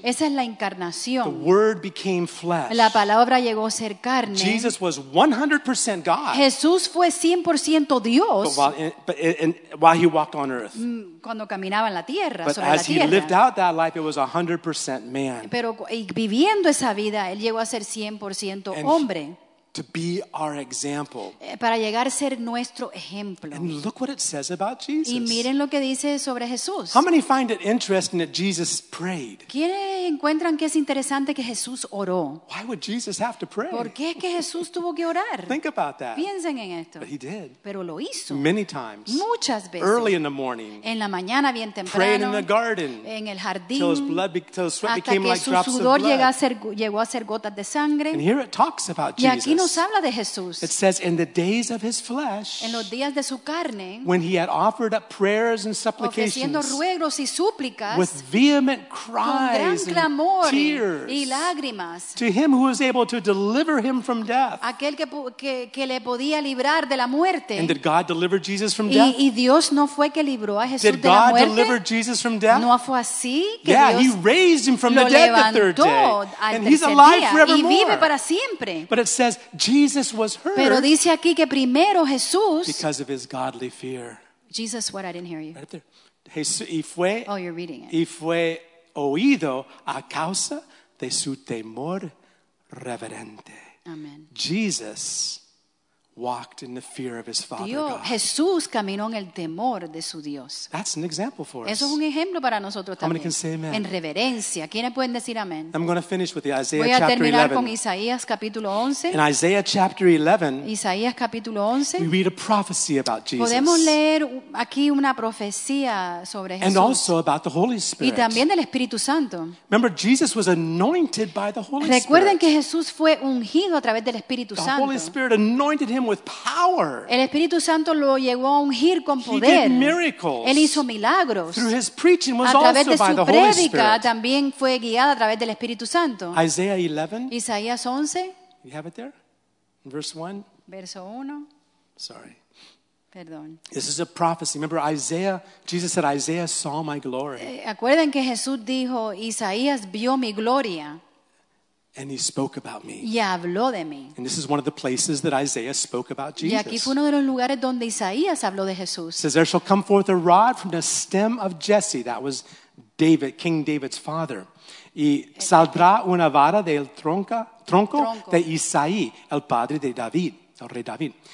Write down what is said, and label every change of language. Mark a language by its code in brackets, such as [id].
[es] Esa es la encarnación. [en] The word became flesh. [es] La palabra llegó a ser carne. [en] Jesus was 100% God. [es] Jesús fue 100% Dios. [en] While he walked on earth. [es] Cuando caminaba en la tierra, [en] but [es] sobre [en] as [es] la tierra. [en] He lived out that life, it was 100% man. [es] Pero viviendo esa vida, él llegó a ser 100% hombre. [en] To be our example. [es] Para llegar a ser nuestro ejemplo. [en] And look what it says about Jesus. [es] Y miren lo que dice sobre Jesús. [en] How many find it interesting that Jesus prayed? [es] ¿Quiénes encuentran que es interesante que Jesús oró? [en] Why would Jesus have to pray? [es] ¿Por qué es que Jesús tuvo que orar? [en] Think about that. [es] Piensen en esto. [en] But he did. [es] Pero lo hizo. [en] Many times. [es] Muchas veces. [en] Early in the morning. [es] En la mañana bien temprano. [en] Praying in the garden. [es] En el jardín. [en] Till his sweat became like drops of blood. [es] Hasta que su sudor llegó a ser gotas de sangre. [en] And here it talks about Jesus. [es] Nos habla de Jesús. [en] It says in the days of his flesh, [es] en los días de su carne, [en] when he had offered up prayers and supplications, [es] ofreciendo ruegos y súplicas, [en] with vehement cries [es] con gran clamor [en] and tears, [es] y lágrimas, [en] to him who was able to deliver him from death, [es] aquel que le podía librar de la muerte, [en] and did God deliver Jesus from death? [es] Y Dios no fue que libró a Jesús [en] did [es] de [en] God [es] la muerte? [en] Deliver Jesus from death? [es] No fue así que [en] yeah, [es] Dios [en] he raised him from the dead the third day, and he's alive forevermore. [es] Y vive para siempre. [en] But it says, Jesus was hurt. [es] Pero dice aquí que primero Jesús, [en] because of his godly fear. Jesus, what? I didn't hear you. Right there. [es] Jesús, y fue, [en] oh, you're reading it. [es] Y fue oído a causa de su temor reverente. Amen. [en] Jesus walked in the fear of his Father [es] Dios, [en] God. [es] Jesús caminó en el temor de su Dios. [en] That's an example for us. [es] Eso es un ejemplo para nosotros también. [en] How many can say amen? [es] En reverencia. ¿Quiénes pueden decir amén? [en] I'm going to finish with the Isaiah chapter [es] Voy a terminar con Isaías capítulo 11. [en] In Isaiah chapter 11. [es] Isaías capítulo 11. [en] We read a prophecy about Jesus. [es] Podemos leer aquí una profecía sobre Jesús. [en] And also about the Holy Spirit. [es] Y también del Espíritu Santo. [en] Remember, Jesus was anointed by the Holy Spirit. [es] Recuerden que Jesús fue ungido a través del Espíritu Santo. [en] The Holy Spirit anointed him with power. [es] El Espíritu Santo lo llevó a ungir con poder. [en] He did miracles. [es] Él hizo milagros. [en] Through his preaching was also the Holy Spirit. [es] A través de su prédica también fue guiada a través del Espíritu Santo. [en] Isaiah 11. [es] Isaías 11. [en] You have it there? Verse 1. [es] Verso 1. [en] Sorry. [es] Perdón. [en] This is a prophecy. Remember Isaiah, Jesus said, Isaiah saw my glory. [es] Acuerden que Jesús dijo, Isaías vio mi gloria. [en] And he spoke about me. [es] Y habló de mí. [en] And this is one of the places that Isaiah spoke about Jesus. [es] Y aquí fue uno de los lugares donde Isaías habló de Jesús. [en] Says, there shall come forth a rod from the stem of Jesse. That was David, King David's father. [es] Y saldrá una vara del tronco de Isaí, el padre de David, el rey David.